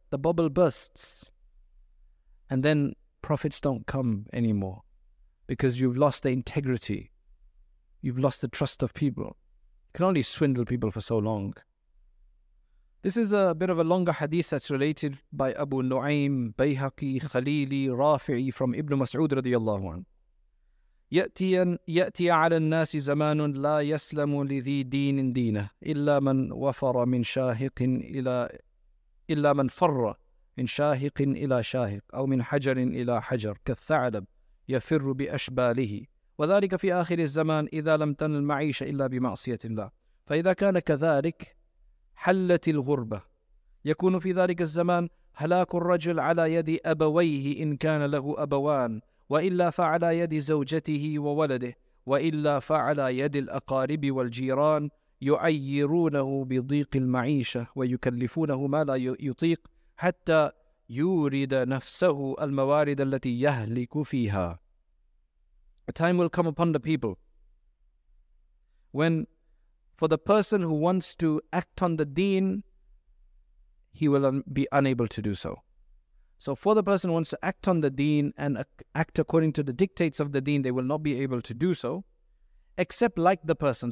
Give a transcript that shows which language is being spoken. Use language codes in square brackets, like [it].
[en] The bubble bursts. And then profits don't come anymore because you've lost the integrity. You've lost the trust of people. You can only swindle people for so long. This is a bit of a longer hadith that's related by Abu Nu'aym, Bayhaqi, Khalili, Rafi'i from Ibn Mas'ud radiyallahu anhu. [ar] يَأْتِي عَلَى النَّاسِ زَمَانٌ لَا يَسْلَمُ لِذِي دِينٍ دِينَهُ إِلَّا مَنْ وَفَرَ مِنْ شَاهِقٍ إِلَى إِلَّا مَنْ فَرَّ مِنْ شَاهِقٍ إِلَى شَاهِقٍ أَوْ مِنْ حَجَرٍ إِلَى حَجَرٍ كَالثَّعْلَبِ يَفِرُّ بِأَشْبَالِهِ وَذَلِكَ فِي آخِرِ الزَّمَانِ إِذَا لَمْ تَنَلْ الْمَعِيشَةَ إِلَّا بِمَعْصِيَةِ اللَّهِ فَإِذَا كَانَ كَذَلِكَ حلت الغربة يكون في ذلك الزمان هلاك الرجل على يد أبويه إن كان له أبوان وإلا فعلى يد زوجته وولده وإلا فعلى يد الأقارب والجيران يعيرونه بضيق المعيشة ويكلفونه ما لا يطيق حتى يورد نفسه الموارد التي يهلك فيها. [en] A time will come upon the people when for the person who wants to act on the deen, he will be unable to do so. So for the person who wants to act on the deen and act according to the dictates of the deen, they will not be able to do so, except like the person.